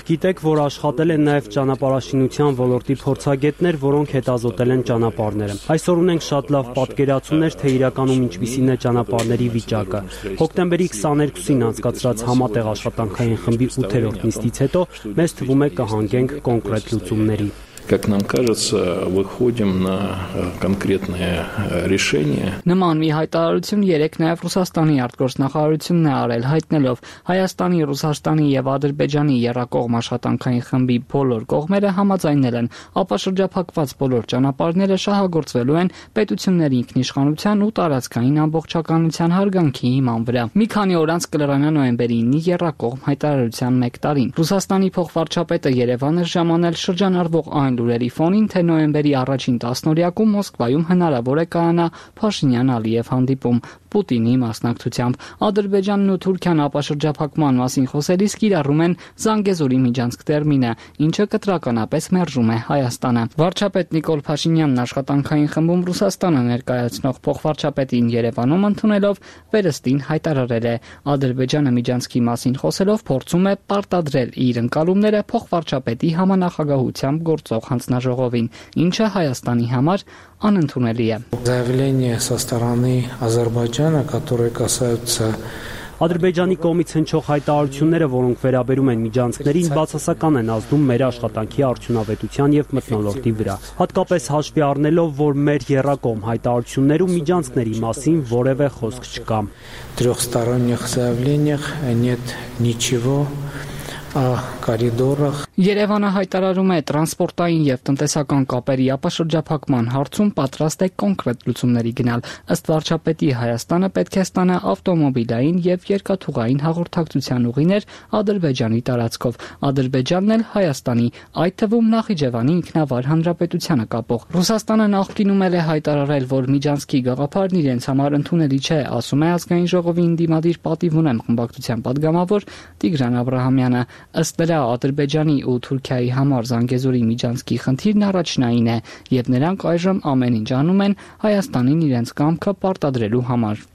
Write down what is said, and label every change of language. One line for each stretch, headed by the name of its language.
Armenian: գիտեք, որ աշխատել են նաև ճանապարհաշինության ոլորտի փորձագետներ, որոնք հետազոտել են ճանապարհները։ Այսօր ունենք շատ լավ պատկերացումներ, թե իրականում ինչպիսին է ճանապարհների վիճակը։ Հոկտեմբերի 22-ին անցկացրած համատեղ աշխատանքային խմբի 8-րդ նիստից հետո մեզ թվում է կհանգենք կոնկրետ լուծումների։
Russian: как нам кажется, выходим на конкретное решение.
Armenian: Նման մի հայտարարություն երեք նաև Ռուսաստանի արտգործնախարարությունն է արել, հայտնելով Հայաստանի, Ռուսաստանի եւ Ադրբեջանի երկկողմ աշխատանքային խմբի բոլոր կողմերը համաձայնել են ապաշրջափակված բոլոր ճանապարհները շահագործվելու են պետությունների ինքնիշխանության ու տարածքային ամբողջականության հարգանքի հիման վրա։ Մի քանի օր անց կլրանա նոյեմբերի 9-ի երկկողմ հայտարարության 1 տարին։ Ռուսաստանի փոխվարչապետը Երևանը ժամանել շրջանառվող այն լուրերի ֆոնին, թե նոյեմբերի առաջին 10-օրյակում Մոսկվայում հնարավոր է կայանա Փաշինյան-Ալիև հանդիպում Պուտինի մասնակցությամբ։ Ադրբեջանն ու Թուրքիան ապաշրջափակման մասին խոսելիս կիրառում են Զանգեզուրի միջանցք տերմինը, ինչը կտրականապես մերժում է Հայաստանը։ Վարչապետ Նիկոլ Փաշինյանն աշխատանքային խմբում Ռուսաստանը ներկայացնող փոխվարչապետին Երևանում ընդունելով վերստին հայտարարել է. Ադրբեջանը միջանցքի մասին խոսելով փորձում է պարտադրել իր ընկալումները փոխվարչապետի համանախագահությամբ գործող հանձնաժողովին, ինչը Հայաստանի համար անընդունելի է։
Russian: Заявление со стороны Азербайджана, которое касается
Armenian: Ադրբեջանի կողմից հնչող հայտարարությունները, որոնք վերաբերում են միջանցքներին, բացասական են ազդում մեր աշխատանքի արդյունավետության եւ մտնոլորտի վրա։ Հատկապես հաշվի առնելով, որ մեր երկկողմ հայտարարություններում միջանցքների մասին որևէ խոսք չկա։
Russian: Трёхсторонних заявлениях нет ничего о коридорах
Armenian: Երևանը հայտարարում է տրանսպորտային եւ տնտեսական կապերի ապաշրջափակման հարցում պատրաստ է կոնկրետ լուծումների գնալ։ Ըստ վարչապետի Հայաստանը պետք է ստանա ավտոմոբիլային եւ երկաթուղային հաղորդակցության ուղիներ Ադրբեջանի տարածքով։ Ադրբեջանն էլ Հայաստանի, այդ թվում Նախիջևանի ինքնավար հանրապետությանը կապող։ Ռուսաստանը նախկինում էլ է հայտարարել, որ Միջանցքի գաղափարն իրենց համար ընդունելի չէ, ասում է ազգային ժողովի ինդիմադիր պատիվունեմ խմբակցության պատգամավոր Տիգրան Աբրահամյանը։ Ըստ նրա Ադրբեջանի ու Թուրքիայի համար Զանգեզուրի միջանցքի խնդիրն առաջնային է, եւ նրանք այժմ ամեն ինչ անում են Հայաստանին իրենց կամքը պարտադրելու համար։